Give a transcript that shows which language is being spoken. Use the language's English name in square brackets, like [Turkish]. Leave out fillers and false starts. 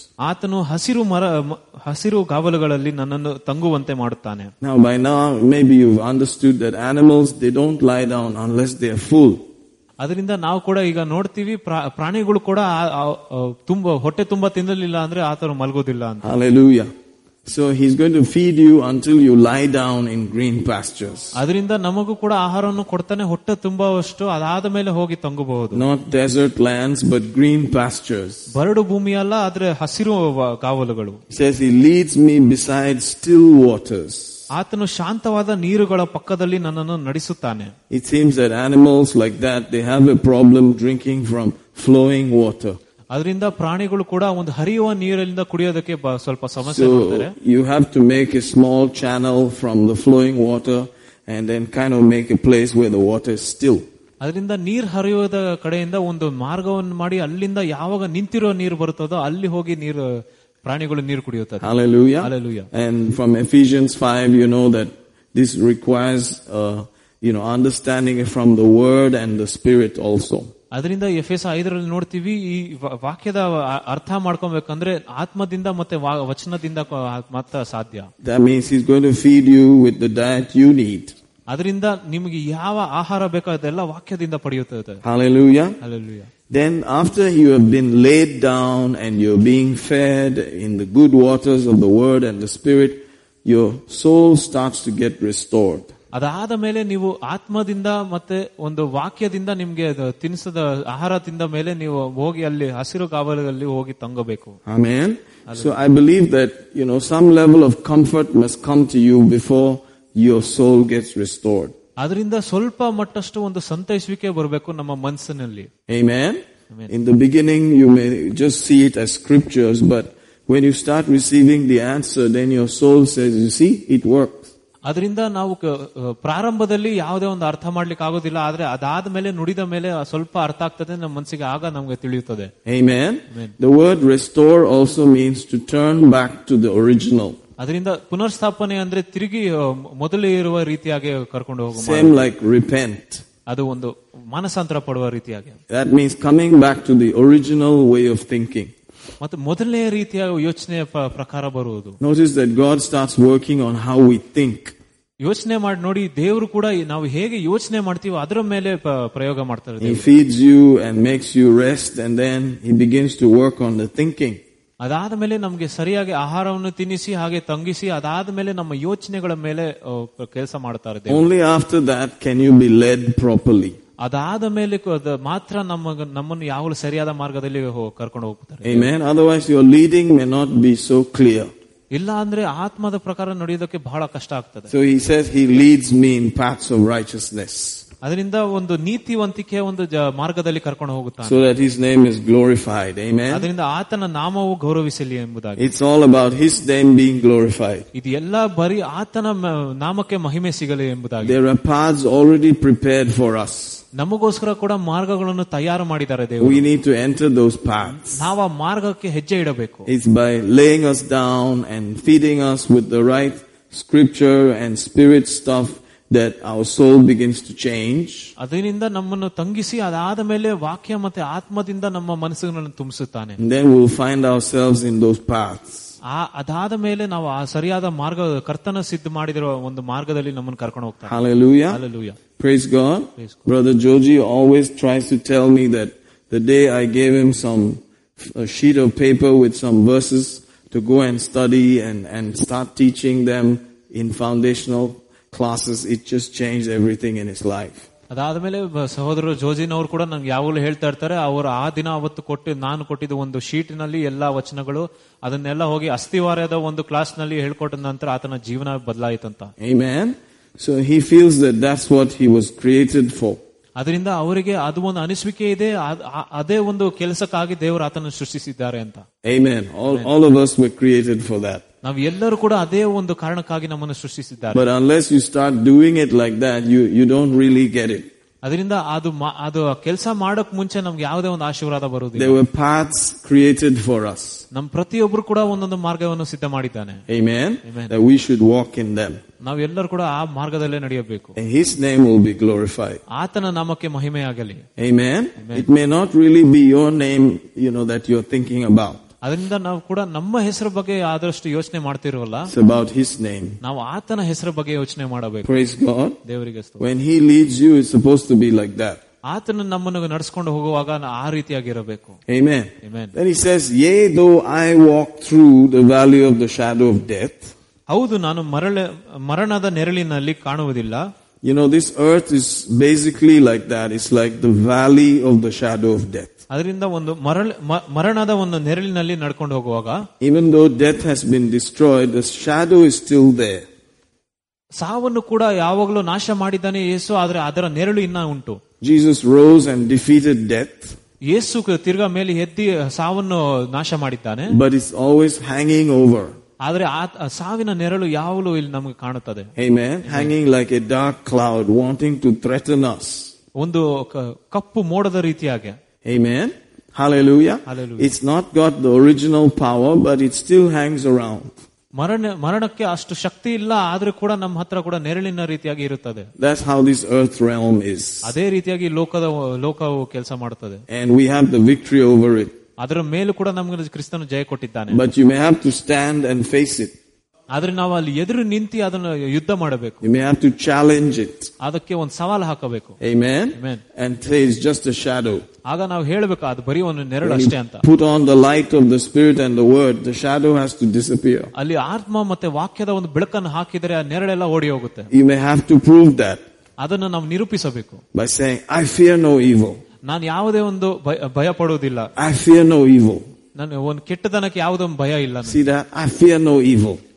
[Kannada] ಆತನು ಹಸಿರು ಗಾವಲುಗಳಲ್ಲಿ ನನ್ನನ್ನು ತಂಗುವಂತೆ ಮಾಡುತ್ತಾನೆ. [English] Now by now maybe you understood that animals they don't lie down unless they are full. [Kannada] ಅದರಿಂದ ನಾವು ಕೂಡ ಈಗ ನೋಡ್ತೀವಿ, ಪ್ರಾಣಿಗಳು ಕೂಡ ತುಂಬಾ ಹೊಟ್ಟೆ ತುಂಬಾ ತಿನ್ನಲಿಲ್ಲ ಅಂದ್ರೆ ಆತರ ಮಲಗೋದಿಲ್ಲ ಅಂತ. Hallelujah. [English] So he's going to feed you until you lie down in green pastures. [Kannada] ಅದರಿಂದ ನಮಗೂ ಕೂಡ ಆಹಾರವನ್ನು ಕೊಡ್ತಾನೆ, ಹೊಟ್ಟೆ ತುಂಬಾವಷ್ಟು ಅದಾದ ಮೇಲೆ ಹೋಗಿ ತಂಗಬಹುದು. [English] Not desert lands but green pastures. [Kannada] ಬರಡು ಭೂಮಿಯಲ್ಲ, ಆದರೆ ಹಸಿರು ಕಾವಲುಗಳು. [English] Says he leads me beside still waters. [Kannada] ಆತನು ಶಾಂತವಾದ ನೀರುಗಳ ಪಕ್ಕದಲ್ಲಿ ನನ್ನನ್ನು ನಡೆಸುತ್ತಾನೆ. [English] It seems that animals like that, they have a problem drinking from flowing water. [Kannada] ಅದರಿಂದ ಪ್ರಾಣಿಗಳು ಕೂಡ ಒಂದು ಹರಿಯುವ ನೀರಿನಿಂದ ಕುಡಿಯೋದಕ್ಕೆ ಸ್ವಲ್ಪ ಸಮಸ್ಯೆ. [English] You have to make a small channel from the flowing water and then kind of make a place where the water is still. [Kannada] ಅದರಿಂದ ನೀರ್ ಹರಿಯೋದ ಕಡೆಯಿಂದ ಒಂದು ಮಾರ್ಗವನ್ನು ಮಾಡಿ ಅಲ್ಲಿಂದ ಯಾವಾಗ ನಿಂತಿರೋ ನೀರು ಬರುತ್ತದೋ ಅಲ್ಲಿ ಹೋಗಿ ನೀರು ಪ್ರಾಣಿಗಳು ನೀರು ಕುಡಿಯುತ್ತದೆ. [English] Hallelujah. Hallelujah. And from Ephesians 5 you know that this requires understanding it from the word and the spirit also. [Kannada] ಅದರಿಂದ ಎಫೆಸ 5ರಲ್ಲಿ ನೋಡ್ತೀವಿ, ಈ ವಾಕ್ಯದ ಅರ್ಥ ಮಾಡ್ಕೊಬೇಕಂದ್ರೆ ಆತ್ಮದಿಂದ ಮತ್ತೆ ವಚನದಿಂದ ಮಾತ್ರ ಸಾಧ್ಯ. [English] That means he's going to feed you with the diet you need. [Kannada] ಅದರಿಂದ ನಿಮಗೆ ಯಾವ ಆಹಾರ ಬೇಕಾದೆಲ್ಲ ವಾಕ್ಯದಿಂದ ಪಡೆಯುತ್ತದೆ. [English] Hallelujah. Hallelujah. Then after you have been laid down and you're being fed in the good waters of the word and the spirit, your soul starts to get restored. [Kannada] ಅದಾದ ಮೇಲೆ ನೀವು ಆತ್ಮದಿಂದ ಮತ್ತೆ ಒಂದು ವಾಕ್ಯದಿಂದ ನಿಮಗೆ ತಿನ್ನಿಸಿದ ಆಹಾರ ತಿಂದ ಮೇಲೆ ನೀವು ಹೋಗಿ ಅಲ್ಲಿ ಹಸಿರು ಕಾವಲಲ್ಲಿ ಹೋಗಿ ತಂಗಬೇಕು. Amen. [English] So I believe that you know some level of comfort must come to you before your soul gets restored. [Kannada] ಅದರಿಂದ ಸ್ವಲ್ಪ ಮಟ್ಟಷ್ಟು ಒಂದು ಸಂತೈಸುವಿಕೆ ಬರಬೇಕು ನಮ್ಮ ಮನಸ್ಸಿನಲ್ಲಿ. Amen. [English] In the beginning you may just see it as scriptures, but when you start receiving the answer then your soul says you see it work. [Kannada] ಅದರಿಂದ ನಾವು ಪ್ರಾರಂಭದಲ್ಲಿ ಯಾವುದೇ ಒಂದು ಅರ್ಥ ಮಾಡ್ಲಿಕ್ಕೆ ಆಗೋದಿಲ್ಲ, ಆದ್ರೆ ಅದಾದ ಮೇಲೆ ನುಡಿದ ಮೇಲೆ ಸ್ವಲ್ಪ ಅರ್ಥ ಆಗ್ತದೆ ನಮ್ಮ ಮನಸ್ಸಿಗೆ, ಆಗ ನಮಗೆ ತಿಳಿಯುತ್ತದೆ. Amen. [English] The word restore also means to turn back to the original. [Kannada] ಅದರಿಂದ ಪುನರ್ಸ್ಥಾಪನೆ ಅಂದ್ರೆ ತಿರುಗಿ ಮೊದಲು ಇರುವ ರೀತಿಯಾಗಿ ಕರ್ಕೊಂಡು ಹೋಗುವ. [English] Same like repent. [Kannada] ಅದು ಒಂದು ಮನಸಾಂತರ ಪಡುವ ರೀತಿಯಾಗಿ. [English] That means coming back to the original way of thinking. [Kannada] ಮತ್ತೆ ಮೊದಲನೇ ರೀತಿಯ ಯೋಚನೆಯ ಪ್ರಕಾರ ಬರುವುದು. [English] Notice that God starts working on how we think. [Kannada] ಯೋಚನೆ ಮಾಡಿ ನೋಡಿ, ದೇವರು ಕೂಡ ನಾವು ಹೇಗೆ ಯೋಚನೆ ಮಾಡ್ತೀವೋ ಅದರ ಮೇಲೆ ಪ್ರಯೋಗ ಮಾಡ್ತಾರೆ. [English] He feeds you and makes you rest and then he begins to work on the thinking. [Kannada] ಅದಾದ ಮೇಲೆ ನಮಗೆ ಸರಿಯಾಗಿ ಆಹಾರವನ್ನು ತಿನ್ನಿಸಿ ಹಾಗೆ ತಂಗಿಸಿ ಅದಾದ ಮೇಲೆ ನಮ್ಮ ಯೋಚನೆಗಳ ಮೇಲೆ ಕೆಲಸ ಮಾಡ್ತಾರೆ. [English] Only after that can you be led properly. [Kannada] ಅದಾದ ಮೇಲೆ ಮಾತ್ರ ನಮ್ಮನ್ನು ಯಾವಾಗಲೂ ಸರಿಯಾದ ಮಾರ್ಗದಲ್ಲಿ ಕರ್ಕೊಂಡು ಹೋಗ್ತಾರೆ. [English] Amen. Otherwise your leading may not be so clear. [Kannada] ಇಲ್ಲ ಅಂದ್ರೆ ಆತ್ಮದ ಪ್ರಕಾರ ನಡೆಯೋದಕ್ಕೆ ಬಹಳ ಕಷ್ಟ ಆಗ್ತದೆ. [English] So he says he leads me in paths of righteousness. [Kannada] ಅದರಿಂದ ಒಂದು ನೀತಿವಂತಿಕೆ ಒಂದು ಮಾರ್ಗದಲ್ಲಿ ಕರ್ಕೊಂಡು ಹೋಗುತ್ತಾನೆ. [English] So that his name is glorified. Amen. [Kannada] ಅದರಿಂದ ಆತನ ನಾಮವು ಗೌರವಿಸಲಿ ಎಂಬುದಾಗಿ. [English] It's all about his name being glorified. [Kannada] ಇದು ಎಲ್ಲ ಬರೀ ಆತನ ನಾಮಕ್ಕೆ ಮಹಿಮೆ ಸಿಗಲಿ ಎಂಬುದಾಗಿ. [English] There are paths already prepared for us. [Kannada] ನಮಗೋಸ್ಕರ ಕೂಡ ಮಾರ್ಗಗಳನ್ನು ತಯಾರು ಮಾಡಿದ್ದಾರೆ ದೇವರು. [English] We need to enter those paths. [Kannada] ನಾವು ಆ ಮಾರ್ಗಕ್ಕೆ ಹೆಜ್ಜೆ ಇಡಬೇಕು. [English] It's by laying us down and feeding us with the right scripture and spirit stuff that our soul begins to change. [Kannada] ಅದರಿಂದ ನಮ್ಮನ್ನು ತಂಗಿಸಿ ಅದಾದ ಮೇಲೆ ವಾಕ್ಯ ಮತ್ತೆ ಆತ್ಮದಿಂದ ನಮ್ಮ ಮನಸ್ಸುಗಳನ್ನು ತುಂಬಿಸುತ್ತಾನೆ. [English] Then we will find ourselves in those paths. [Kannada] ಅದಾದ ಮೇಲೆ ನಾವು ಆ ಸರಿಯಾದ ಮಾರ್ಗ ಕರ್ತನ ಸಿದ್ಧ ಮಾಡಿರುವ ಒಂದು ಮಾರ್ಗದಲ್ಲಿ ನಮ್ಮನ್ನು ಕರ್ಕೊಂಡು ಹೋಗ್ತಾರೆ. [English] Hallelujah. Hallelujah. Praise God. Brother Joji always tries to tell me that the day I gave him a sheet of paper with some verses to go and study and start teaching them in foundational classes, it just changed everything in his life. [Kannada] ಅದಾದ ಮೇಲೆ ಸಹೋದರ ಜೋಜಿನ ಅವರು ಕೂಡ ನನಗೆ ಯಾವಾಗಲೂ ಹೇಳ್ತಾ ಇರ್ತಾರೆ, ಅವರು ಆ ದಿನ ಅವತ್ತು ಕೊಟ್ಟು ನಾನು ಕೊಟ್ಟಿದ್ದ ಒಂದು ಶೀಟ್ನಲ್ಲಿ ಎಲ್ಲಾ ವಚನಗಳು ಅದನ್ನೆಲ್ಲ ಹೋಗಿ ಅಸ್ಥಿವಾರ್ಯದ ಒಂದು ಕ್ಲಾಸ್ ನಲ್ಲಿ ಹೇಳ್ಕೊಟ್ಟ ನಂತರ ಆತನ ಜೀವನ ಬದಲಾಯಿತಂತ. [English] Amen. So he feels that's what he was created for. [Kannada] ಅದರಿಂದ ಅವರಿಗೆ ಅದು ಒಂದು ಅನಿಸಿಕೆ ಇದೆ, ಅದೇ ಒಂದು ಕೆಲಸಕ್ಕಾಗಿ ದೇವರು ಆತನನ್ನು ಸೃಷ್ಟಿಸಿದ್ದಾರೆ ಅಂತ. [English] Amen. All of us were created for that. [Kannada] ನಾವು ಎಲ್ಲರೂ ಕೂಡ ಅದೇ ಒಂದು ಕಾರಣಕ್ಕಾಗಿ ನಮ್ಮನ್ನು ಸೃಷ್ಟಿಸಿದ್ದಾರೆ. [English] But unless you start doing it like that, you don't really get it. [Kannada] ಅದರಿಂದ ಅದು ಅದು ಕೆಲಸ ಮಾಡಕ್ ಮುಂಚೆ ನಮ್ಗೆ ಯಾವುದೇ ಒಂದು ಆಶೀರ್ವಾದ ಬರುವುದಿಲ್ಲ. [English] There were paths created for us. [Kannada] ನಮ್ ಪ್ರತಿಯೊಬ್ಬರು ಕೂಡ ಒಂದೊಂದು ಮಾರ್ಗವನ್ನು ಸಿದ್ಧ ಮಾಡಿದ್ದಾನೆ. [English] Amen. That we should walk in them. [Kannada] ನಾವು ಎಲ್ಲರೂ ಕೂಡ ಆ ಮಾರ್ಗದಲ್ಲೇ ನಡೆಯಬೇಕು. [English] His name will be glorified. [Kannada] ಆತನ ನಾಮಕ್ಕೆ ಮಹಿಮೆ ಆಗಲಿ. [English] Amen. It may not really be your name, that you are thinking about. [Kannada] ಅದರಿಂದ ನಾವು ಕೂಡ ನಮ್ಮ ಹೆಸರು ಬಗ್ಗೆ ಆದಷ್ಟು ಯೋಚನೆ ಮಾಡ್ತಿರೋಲ್ಲ. [English] It's about his name. [Kannada] ನಾವು ಆತನ ಹೆಸರು ಬಗ್ಗೆ ಯೋಚನೆ ಮಾಡಬೇಕು. [English] Praise God. [Kannada] ದೇವರಿಗೆ ಸ್ತೋತ್ರ. [English] When he leads you, it's supposed to be like that. [Kannada] ಆತನು ನಮ್ಮನ್ನು ನಡೆಸಿಕೊಂಡು ಹೋಗುವಾಗ ಆ ರೀತಿಯಾಗಿರಬೇಕು. Amen. Amen. [English] Then he says, "Yea, though I walk through the valley of the shadow of death." [Kannada] ಹೌದು, ನಾನು ಮರಣದ ನೆರಳಿನಲ್ಲಿ ಕಾಣುವುದಿಲ್ಲ. [English] You know, this earth is basically like that. It's like the valley of the shadow of death. [Kannada] ಅದರಿಂದ ಒಂದು ಮರಣದ ಒಂದು ನೆರಳಿನಲ್ಲಿ ನಡ್ಕೊಂಡು ಹೋಗುವಾಗ, [English] Even though death has been destroyed, the shadow is still there. [Kannada] ಸಾವನ್ನು ಕೂಡ ಯಾವಾಗಲೂ ನಾಶ ಮಾಡಿದ್ದಾನೆ ಯೇಸು, ಆದರೆ ಅದರ ನೆರಳು ಇನ್ನ ಉಂಟು. [English] Jesus rose and defeated death. [Kannada] ಯೇಸು ತಿರ್ಗಾ ಮೇಲೆ ಎದ್ದಿ ಸಾವನ್ನು ನಾಶ ಮಾಡಿದ್ದಾನೆ. [English] But it's always hanging over. [Kannada] ಆದರೆ ಆ ಸಾವಿನ ನೆರಳು ಯಾವಾಗಲೂ ಇಲ್ಲಿ ನಮಗೆ ಕಾಣುತ್ತದೆ. Amen. [English] Hanging like a dark cloud wanting to threaten us. [Kannada] ಒಂದು ಕಪ್ಪು ಮೋಡದ ರೀತಿಯಾಗಿ. [English] Amen. Hallelujah. Hallelujah. It's not got the original power, but it still hangs around. [Kannada] ಮರಣಕ್ಕೆ ಅಷ್ಟು ಶಕ್ತಿ ಇಲ್ಲ, ಆದ್ರೂ ಕೂಡ ನಮ್ಮ ಹತ್ರ ಕೂಡ ನೆರಳಿನ ರೀತಿಯಾಗಿ ಇರುತ್ತದೆ. [English] That's how this earth realm is. [Kannada] ಅದೇ ರೀತಿಯಾಗಿ ಲೋಕವು ಕೆಲಸ ಮಾಡುತ್ತದೆ. [English] And we have the victory over it. [Kannada] ಅದರ ಮೇಲೂ ಕೂಡ ನಮಗೆ ಕ್ರಿಸ್ತನು ಜಯ ಕೊಟ್ಟಿದ್ದಾನೆ. [English] But you may have to stand and face it. [Kannada] ಆದ್ರೆ ನಾವು ಅಲ್ಲಿ ಎದುರು ನಿಂತು ಅದನ್ನು ಯುದ್ಧ ಮಾಡಬೇಕು. [English] You may have to challenge it. [Kannada] ಅದಕ್ಕೆ ಒಂದು ಸವಾಲು ಹಾಕಬೇಕು. [English] Amen. Amen. And say it's just a shadow. [Kannada] ಆಗ ನಾವು ಹೇಳಬೇಕು ಅದು ಬರೀ ಒಂದು ನೆರಳು ಅಷ್ಟೇ ಅಂತ. [English] Put on the light of the spirit and the word, the shadow has to disappear. [Kannada] ಅಲ್ಲಿ ಆತ್ಮ ಮತ್ತೆ ವಾಕ್ಯದ ಒಂದು ಬೆಳಕನ್ನು ಹಾಕಿದರೆ ಆ ನೆರಳೆಲ್ಲ ಓಡಿ ಹೋಗುತ್ತೆ. [English] You may have to prove that. [Kannada] ಅದನ್ನು ನಾವು ನಿರೂಪಿಸಬೇಕು. [English] By saying, I fear no evil. [Kannada] ನಾನು ಯಾವುದೇ ಒಂದು ಭಯ ಪಡುವುದಿಲ್ಲ. [English] I fear no evil. [Kannada] ನಾನು ಒಂದು ಕೆಟ್ಟದನಕ್ಕೆ ಯಾವುದೊಂದು ಭಯ ಇಲ್ಲ. [English] See that? I fear no evil.